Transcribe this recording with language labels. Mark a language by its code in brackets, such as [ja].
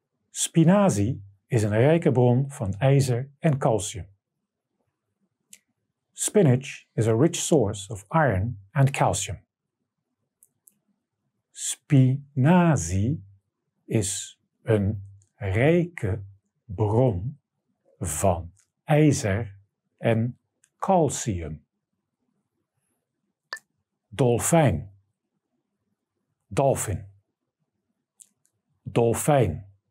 [nl] Spinazie is een rijke bron van ijzer en calcium. [en] Spinach is a rich source of iron and calcium. [nl] Spinazie is een rijke bron van ijzer en calcium. Dolfijn. Dolphin. Dolfijn.